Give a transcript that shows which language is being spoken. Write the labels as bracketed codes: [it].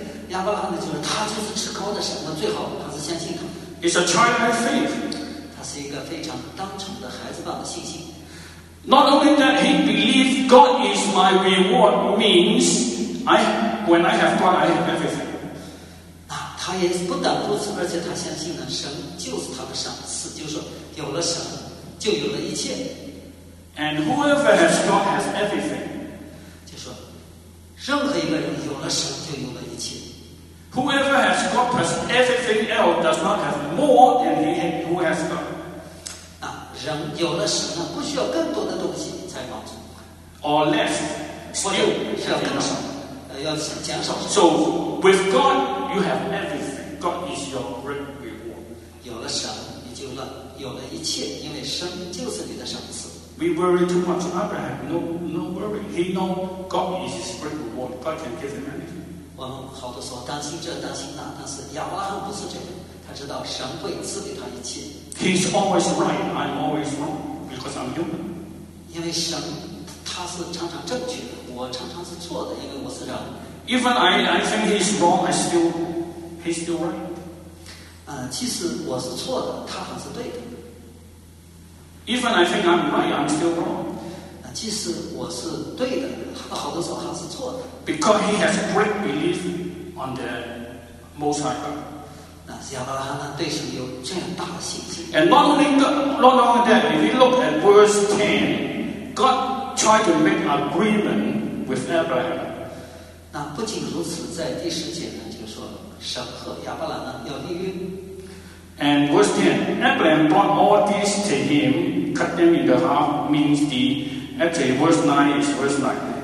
[zh] 亚伯拉罕就是他就是至高的神，那最好还是相信他。 [en] It's a childlike faith. [zh] 他是一个非常单纯的孩子般的信心。 [en] Not only that, he believed God is my reward means when I have God, I have everything. [zh] 他也不但如此，而且他相信呢，神就是他的赏赐，就是说有了神，就有了一切。 [en] And whoever has God has everything. [zh] 就说任何一个人有了神就有了一切。 [en] Whoever has God has everything else does not have more than he who has God. [zh] 啊，人有了神呢，不需要更多的东西才满足。 [en] Or less, [zh] 或者是要更少，要减少。 [en] So with God. You have everything. God is your great reward. [zh] 有了神，你就有了一切，因为神就是你的赏赐。 [en] We worry too much. Abraham, no worry. He know God is his great reward. God can give him anything. [zh] 我们好多说担心这担心那，但是亚伯拉罕不是这样，他知道神会赐给他一切。 [en] He's always right. I'm always wrong because I'm human. [zh] 因为神他是常常正确的，我常常是错的，因为我是人。 [en] Even I think he's wrong, he's still right. [zh] 其实我是错的，他还是对的。 [en] Even I think I'm right, I'm still wrong. [zh] 其实我是对的，好多时候还是错的。 [en] Because he has great belief on the Most High God. [zh] 那亚伯拉罕呢，对神有这样大的信心。 [en] And not only that, if you look at verse 10, God tried to make agreement with Abraham. [zh] 那不仅如此，在第十节呢，就说神和亚伯兰呢要立约。 [en] And verse 10, Abraham brought all these to him, cut them into half. Means the actually verse 9 is verse 9.